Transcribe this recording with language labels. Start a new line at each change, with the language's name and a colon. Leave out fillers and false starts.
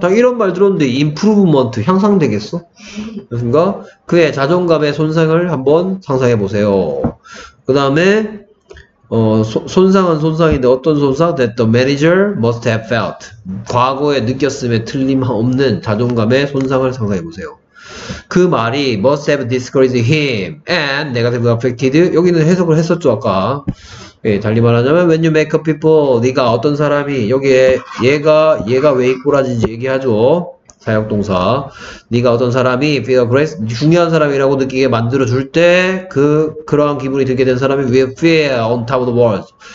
Korean: 딱 이런 말 들었는데 improvement 향상되겠어? 그렇습니까? 그의 자존감의 손상을 한번 상상해 보세요. 그 다음에 손상은 손상인데 어떤 손상?
English: That the manager must have felt.
Korean: 과거에 느꼈음에 틀림없는 자존감의 손상을 상상해 보세요. 그 말이
English: must have discouraged him and negatively affected.
Korean: 여기는 해석을 했었죠 아까. 예, 달리 말하자면
English: when you make a people,
Korean: 네가 어떤 사람이 여기에 얘가 왜 이꼬라진지 얘기하죠. 사역 동사. 네가 어떤 사람이 feel great, 중요한 사람이라고 느끼게 만들어 줄 때 그러한 기분이 들게 된 사람이
English: will feel on top of the world.